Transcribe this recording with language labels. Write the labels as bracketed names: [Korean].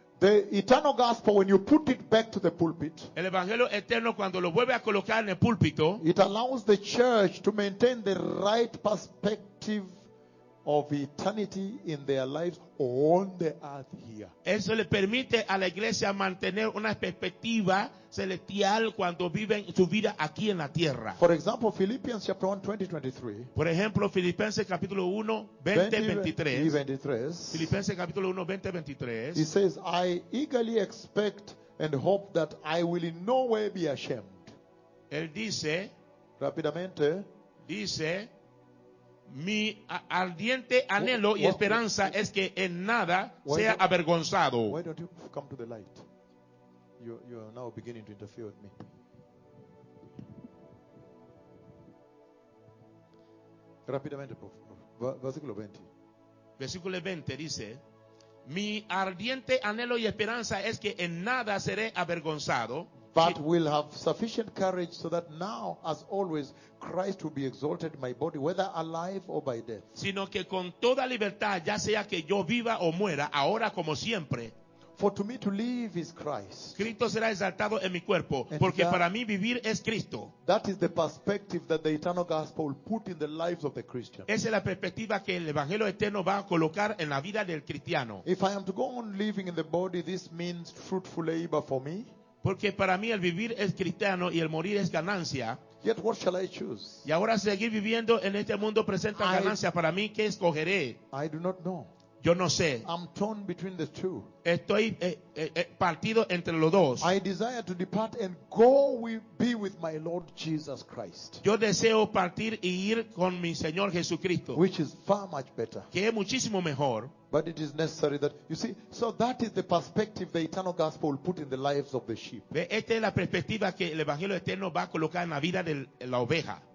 [English] The eternal gospel, when you put it back to the pulpit, [Spanish] el evangelio eterno, cuando lo vuelve a colocar en el púlpito, [English] it allows the church to maintain the right perspective of eternity in their lives on the earth here. [Spanish] Eso le permite a la iglesia mantener una perspectiva celestial cuando viven su vida aquí en la tierra. [English] For example, Philippians chapter 1, 20-23. [Spanish] Por ejemplo, Filipenses capítulo 1, 20-23. Filipenses capítulo 1, 20-23. [English] He says, I eagerly expect and hope that I will in no way be ashamed. [Spanish] Él dice, rápidamente, dice, mi ardiente anhelo y esperanza es que en nada sea avergonzado. [English] Why don't you come to the light? You are now beginning to interfere with me. [Spanish] Rápidamente, por favor. Versículo 20. Versículo 20 dice, mi ardiente anhelo y esperanza es que en nada seré avergonzado. [English] But will have sufficient courage so that now, as always, Christ will be exalted in my body, whether alive or by death. [Spanish] Sino que con toda libertad, ya sea que yo viva o muera, ahora como siempre. [English] For to me to live is Christ. [Spanish] Cristo será exaltado en mi cuerpo, porque that, para mí vivir es Cristo. [English] That is the perspective that the eternal gospel will put in the lives of the Christian. [Spanish] Esa es la perspectiva que el evangelio eterno va a colocar en la vida del cristiano. [English] If I am to go on living in the body, this means fruitful labor for me. [Spanish] Porque para mí el vivir es cristiano y el morir es ganancia. Yet what shall I choose? Y ahora seguir viviendo en este mundo presenta ganancia para mí. ¿Qué escogeré? [English] I do not know. [Spanish] Yo no sé. [English] I'm torn between the two. [Spanish] Estoy partido entre los dos. [English] I desire to depart and go be with my Lord Jesus Christ. [Spanish] Yo deseo partir y ir con mi Señor Jesucristo. [English] Which is far much better. [Spanish] Que es muchísimo mejor. [English] But it is necessary that, you see, so that is the perspective the eternal gospel will put in the lives of the sheep. [Spanish] Esta es la perspectiva que el evangelio eterno va a colocar en la vida de la oveja.